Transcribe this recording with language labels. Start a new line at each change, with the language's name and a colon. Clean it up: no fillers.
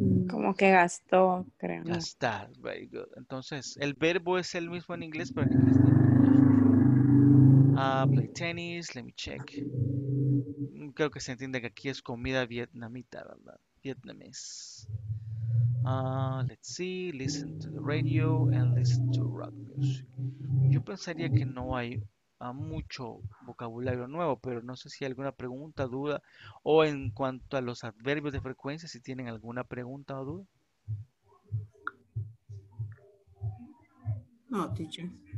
Spanish: Como que gastó, creo.
English: Gastar, very good.
Spanish: Entonces, el verbo es el mismo en inglés, pero en inglés no.
English: Play tennis, let me check.
Spanish: Creo que se entiende que aquí es comida vietnamita, ¿verdad?
English: Vietnamese. Let's see, listen to the radio and listen to rock music.
Spanish: Yo pensaría que no hay mucho vocabulario nuevo, pero no sé si hay alguna pregunta, duda, o en cuanto a los adverbios de frecuencia, si tienen alguna pregunta o duda.
English: No, teacher.